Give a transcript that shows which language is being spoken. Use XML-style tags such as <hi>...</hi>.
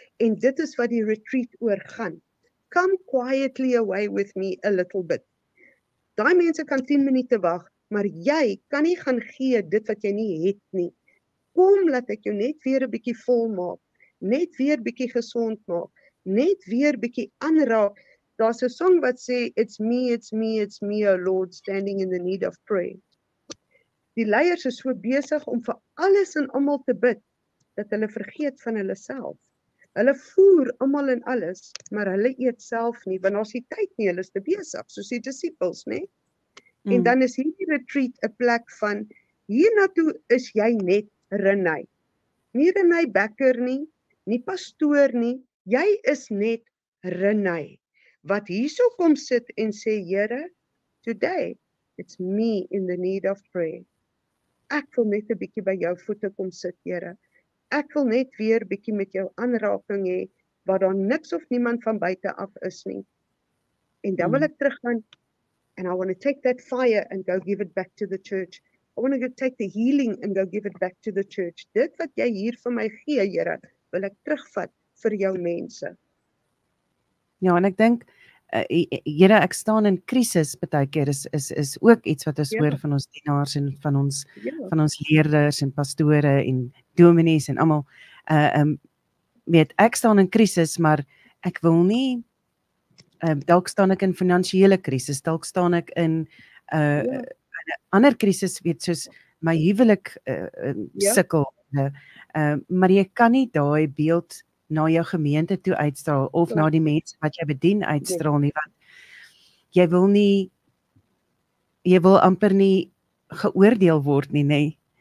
<af>En dit is wat die retreat oor gaan.</af> <en>Come quietly away with me a little bit.</en> <af>Daai mense kan 10 minute wag, maar jy kan nie gaan gee dit wat jy nie het nie. Kom, laat ek jou net weer 'n bietjie vol maak. Net weer 'n bietjie gesond maak. Net weer bietjie aanraak. Daar's 'n song wat sê</af> <en>it's me, it's me, it's me, O Lord, standing in the need of prayer.</en> <af>Die leiers is so besig om vir alles en almal te bid dat hulle vergeet van hulle self. Hulle voer almal en alles, maar hulle eet self nie, want ons het tyd nie, hulle is te besig, soos die disippels, nê? En dan is hierdie retreat 'n plek van hiernatoe is jy net René. Nie René Bekker nie, nie pastoor nie. Jy is net René wat hierso kom sit en sê Here,</af> <en>today it's me in the need of prayer.</en> <af>Ek wil net 'n bietjie by jou voete kom sit, Here. Ek wil net weer bietjie met jou aanraking hê waar daar niks of niemand van buite af is nie. En dan wil ek teruggaan</af> <en>and I want to take that fire and go give it back to the church. I want to go take the healing and go give it back to the church.</en> <af>Dit wat jy hier vir my gee, Here, wil ek terugvat vir jou mense. Ja, en ek dink, Here, ek staan in krisis, baie keer is ook iets wat ons hoor van ons dienaars en van ons van ons leerders en pastore en dominees en almal. Weet, ek staan in krisis, maar ek wil nie, dalk staan ek in finansiële krisis, dalk staan ek in 'n ander krisis, weet, soos my huwelik sukkel. Maar jy kan nie daai beeld na jou gemeente toe uitstraal, of na die mense wat jy bedien uitstraal nie, want jy wil nie, jy wil amper nie geoordeel word nie, nee.</af>